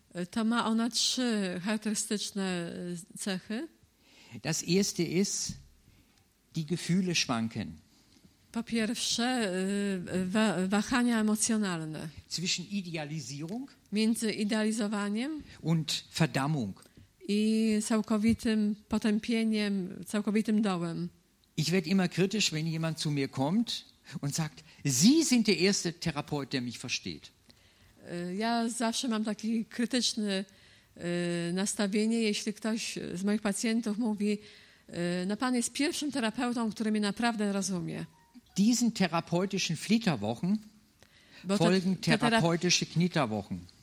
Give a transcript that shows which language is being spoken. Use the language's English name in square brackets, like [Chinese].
[Polish] To ma ona trzy charakterystyczne cechy. [German] Das erste ist, die Gefühle schwanken. [Polish] Po pierwsze, wahania emocjonalne. [German] Zwischen Idealisierung [Polish] między idealizowaniem [German] und Verdammung. [Polish] I całkowitym potępieniem, całkowitym dołem. [German] Ich werde immer kritisch, wenn jemand zu mir kommt und sagt, Sie sind der erste Therapeut, der mich versteht. [Polish] Ja zawsze mam taki krytyczny nastawienie, jeśli ktoś z moich pacjentów mówi, no pan jest pierwszym terapeutą, który mnie naprawdę rozumie. [German] Diesen therapeutischen Flitterwochen folgen therapeutische Knitterwochen.